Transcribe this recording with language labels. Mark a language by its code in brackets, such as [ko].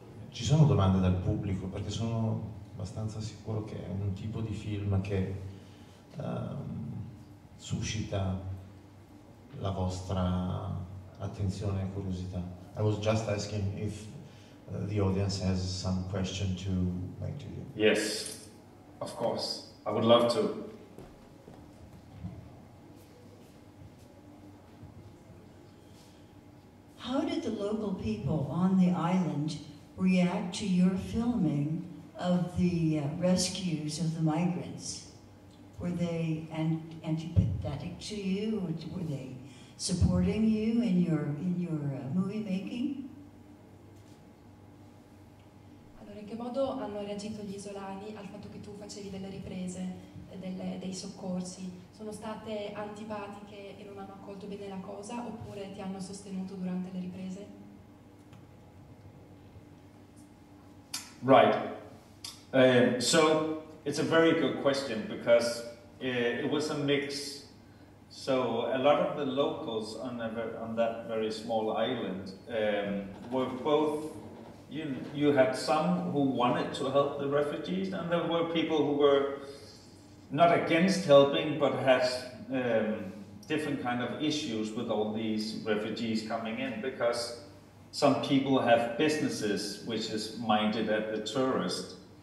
[it] Ci sono domande dal pubblico, perché sono abbastanza sicuro che è un tipo di film che suscita la vostra attenzione e curiosità. [en] I was just asking if the audience has some question to make to you. Yes, of course. I would love to. How did the local people on the island react to your filming of the rescues of the migrants? Were they antipathetic to you? Were they supporting you in your movie making? [it] In che modo hanno reagito gli isolani al fatto che tu facevi delle riprese dei soccorsi? Sono state antipatiche e non hanno accolto bene la cosa, oppure ti hanno sostenuto durante le riprese? [en] Right. So it's a very good question, because it was a mix. So a lot of the locals on that very small island were both. You had some who wanted to help the refugees, and there were people who were not against helping, but had different kind of issues with all these refugees coming in, because some people have businesses which is minded at the tourist.